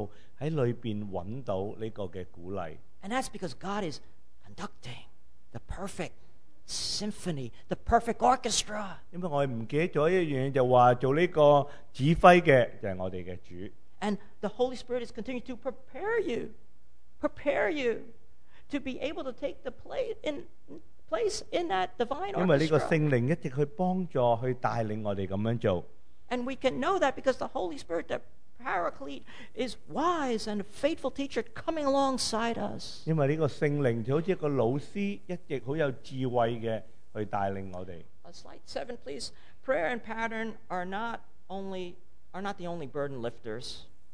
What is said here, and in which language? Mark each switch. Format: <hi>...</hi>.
<zh>但是当我们慢慢祈祷的时候，在里面找到这个鼓励。</zh> <en>And that's because God is conducting the perfect symphony, the perfect orchestra.</en> <zh>因为我忘记了一件事，就是说做这个指挥的就是我们的主。</zh> <en>And the Holy Spirit is continuing to prepare you to be able to take the place in that divine orchestra.</en> <zh>因为这个圣灵一直去帮助，去带领我们这样做。</zh> <en>And we can know that because the Holy Spirit, the Paraclete, is wise and a faithful teacher coming alongside us. Slide 7, please. Prayer and pattern are not the only burden lifters.</en>